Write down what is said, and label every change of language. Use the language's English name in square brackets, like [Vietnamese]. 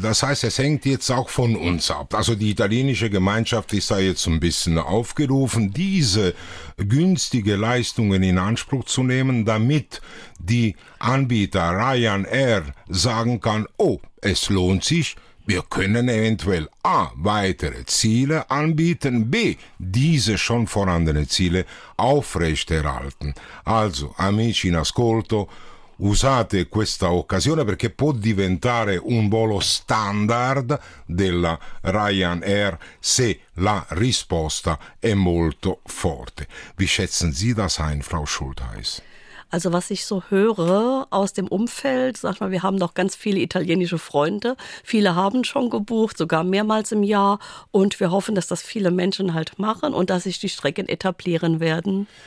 [German] Das heißt, es hängt jetzt auch von uns ab. Also die italienische Gemeinschaft ist da jetzt ein bisschen aufgerufen, diese günstige Leistungen in Anspruch zu nehmen, damit die Anbieter Ryanair sagen kann, oh, es lohnt sich. Wir können eventuell A, weitere Ziele anbieten, B, diese schon vorhandenen Ziele aufrechterhalten. [Italian] Also, amici in ascolto, usate questa occasione perché può diventare un volo standard della Ryanair, se la risposta è molto forte. [German] Wie schätzen Sie das ein, Frau Schultheis? Also was ich so höre aus dem Umfeld, sag mal, wir haben doch ganz viele italienische Freunde. Viele haben schon gebucht, sogar mehrmals im Jahr. Und wir hoffen, dass das viele Menschen halt machen und dass sich die Strecken etablieren werden.